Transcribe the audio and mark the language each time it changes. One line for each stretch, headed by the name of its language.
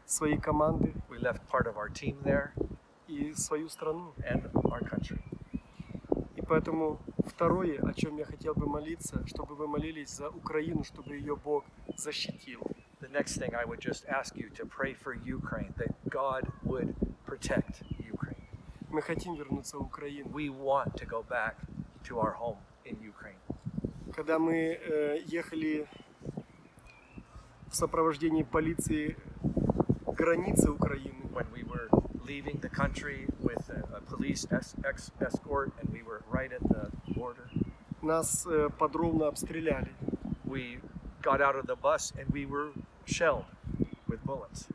Russian: Свои команды.
English: We left part of our team there.
Russian: И свою страну.
English: And our country.
Russian: И поэтому второе, о чем я хотел бы молиться, чтобы вы молились за Украину, чтобы ее Бог защитил.
English: The next thing I would just ask you to pray for Ukraine, that God would protect.
Russian: Мы хотим вернуться в Украину.
English: We want to go back to our home in Ukraine.
Russian: Когда мы ехали в сопровождении полиции границы Украины,
English: when we were leaving the country with a police escort and we were right at the border,
Russian: нас подробно обстреляли.
English: We got out of the bus and we were shelled with bullets.